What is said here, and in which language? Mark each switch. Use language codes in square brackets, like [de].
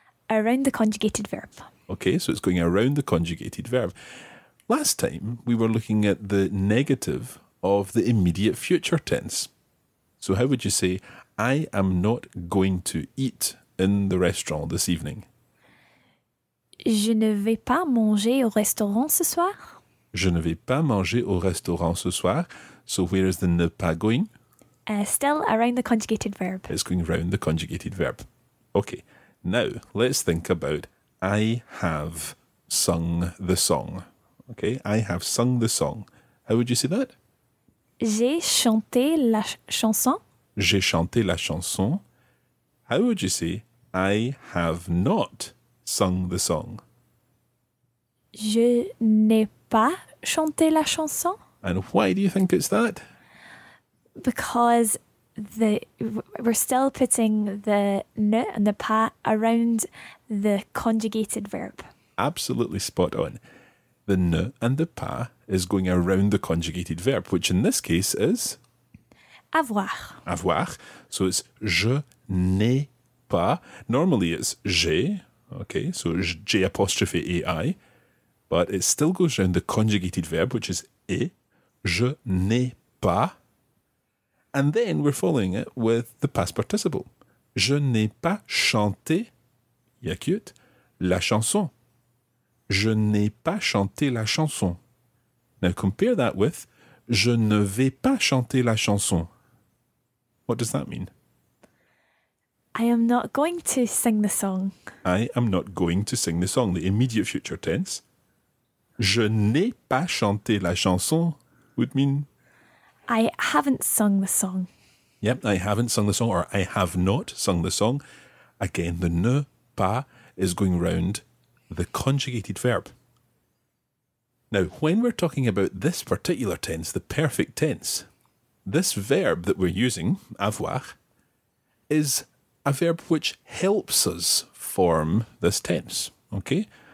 [en] Around the conjugated verb. Okay, so it's going around the conjugated verb. Last time we were looking at the negative of the immediate future tense. So how would you say, I am not going to eat in the restaurant this evening? [fr] Je ne vais pas manger au restaurant ce soir. Je ne vais pas manger au restaurant ce soir. [en] So where is the ne pas going? Still around the conjugated verb. It's going around the conjugated verb. Okay, now let's think about I have sung the song. Okay, I have sung the song. How would you say that? [fr] J'ai chanté la chanson. J'ai chanté la chanson. [en] How would you say, I have not sung the song? [fr] Je n'ai pas chanté la chanson. [en] And why do you think it's that? Because we're still putting the ne and the pas around the conjugated verb. Absolutely spot on. The ne and the pas is going around the conjugated verb, which in this case is? [fr] Avoir. Avoir. [en] So it's [fr] je n'ai pas. [en] Normally it's j'ai, okay, so j'ai apostrophe ai, but it still goes around the conjugated verb, which is e, je n'ai pas. And then we're following it with the past participle. [fr] Je n'ai pas chanté, y'a cute, la chanson. Je n'ai pas chanté la chanson. [en] Now compare that with [fr] je ne vais pas chanter la chanson. [en] What does that mean? I am not going to sing the song. I am not going to sing the song, the immediate future tense. [fr] Je n'ai pas chanté la chanson [en] would mean I haven't sung the song. Yep, I haven't sung the song or I have not sung the song. Again, the ne pas is going round the conjugated verb. Now, when we're talking about this particular tense, the perfect tense, this verb that we're using, avoir, is a verb which helps us form this tense, okay?